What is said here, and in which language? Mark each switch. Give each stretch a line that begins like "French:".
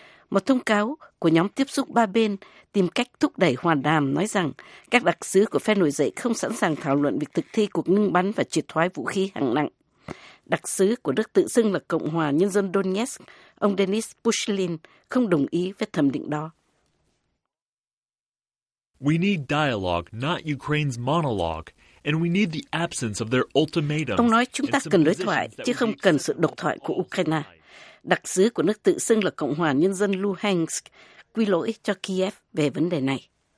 Vietnamese: Một thông cáo của nhóm tiếp xúc ba bên tìm cách thúc đẩy hòa đàm nói rằng các đặc sứ của phe nổi dậy không sẵn sàng thảo luận việc thực thi cuộc ngưng bắn và triệt thoái vũ khí hạng nặng. Đặc sứ của Đức tự xưng là Cộng hòa Nhân dân Donetsk, ông Denis Pushilin, không đồng ý với thẩm định đó.
English: We need dialogue, not Ukraine's monologue. And we need the absence of their ultimatum.
Vietnamese: Ông nói chúng ta cần đối thoại, chứ không cần sự độc thoại của Ukraine. Đặc sứ của nước tự xưng là Cộng hòa Nhân dân Luhansk quy lỗi cho Kiev về vấn đề này.